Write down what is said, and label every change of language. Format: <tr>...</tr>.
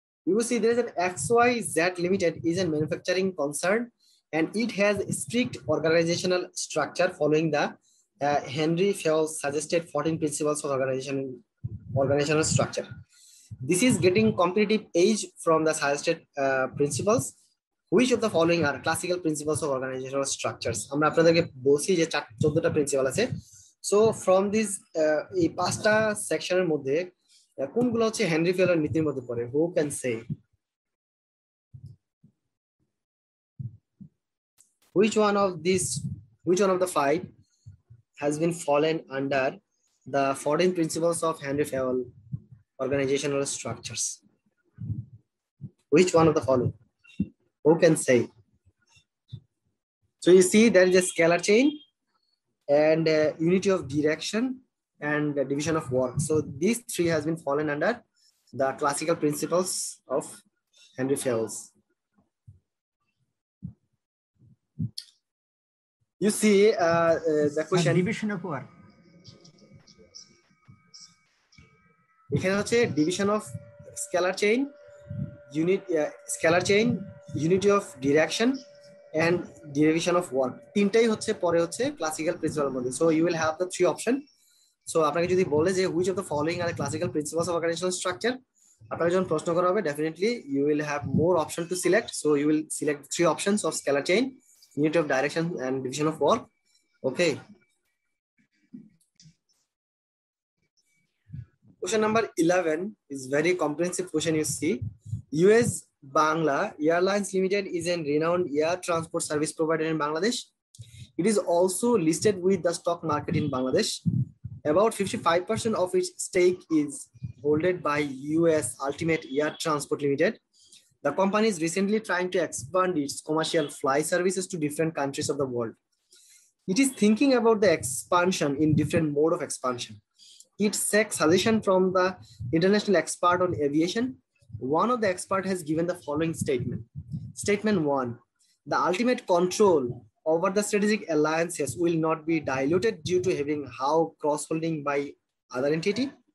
<en>You see, there is an XYZ Limited is a manufacturing concern and it has strict organizational structure following the Henry Fayol suggested 14 principles of organizational structure. This is getting competitive edge from the suggested principles. Which of the following are classical principles of organizational structures?</en> <bn>আমরা আপনাদেরকে বলছি যে 14টা principal আছে।</bn> <en>so from this</en> <bn>এই পাঁচটা সেকশনের মধ্যে কোনগুলো হচ্ছে হেনরি ফেলের নীতির মধ্যে পড়ে?</bn> <en>Who can say which one of the five has been fallen under the 14 principles of Henri Fayol organizational structure? Which one of the follow? Who can say? So you see that is a scalar chain and unity of direction and the division of work. So these three has been fallen under the classical principles of Henry Fayol's. You see the question division of work. You can say division of scalar chain, unit scalar chain, unity of direction and division of work.</en> <bn>Tintai hocche pore hocche classical principle modhe.</bn> <en>So you will have the three option. So</en> <bn>আপনাকে যদি বলে যে</bn> <en>which of the following are classical principles of organizational structure</en> <bn>আপনাকে যখন প্রশ্ন করা হবে</bn> <en>Definitely you will have more option to select so you will select three options of scalar chain unit of direction and division of work okay question number 11 is very comprehensive question you see US Bangla airlines limited is an renowned air transport service provider in Bangladesh it is also listed with the stock market in Bangladesh About 55% of its stake is holded by US Ultimate Air Transport Limited. The company is recently trying to expand its commercial fly services to different countries of the world. It is thinking about the expansion in different mode of expansion. It seeks suggestion from the international expert on aviation. One of the expert has given the following statement. Statement one, the ultimate control over the strategic alliances will not be diluted due to having how cross-holding by other entity.</en>